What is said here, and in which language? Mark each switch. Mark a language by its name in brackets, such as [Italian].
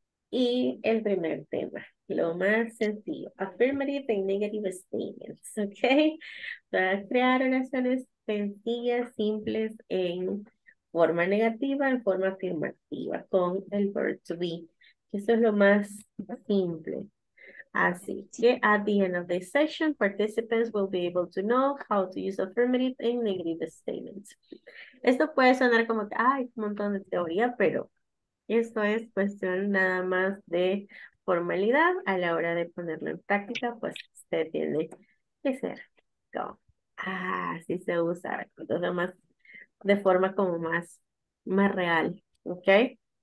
[Spanish] Y el primer tema, lo más sencillo. [English] Affirmative and negative statements. ¿Ok? [Spanish] Para crear oraciones sencillas, simples, en forma negativa, en forma afirmativa, con el verb to be. Eso es lo más simple. Así que [English] at the end of this session, participants will be able to know how to use affirmative and negative statements. [Spanish] Esto puede sonar como que hay un montón de teoría, pero esto es cuestión nada más de formalidad. A la hora de ponerlo en práctica, pues usted tiene que ser. Así se usa. Entonces, más, de forma como más real. ¿Ok?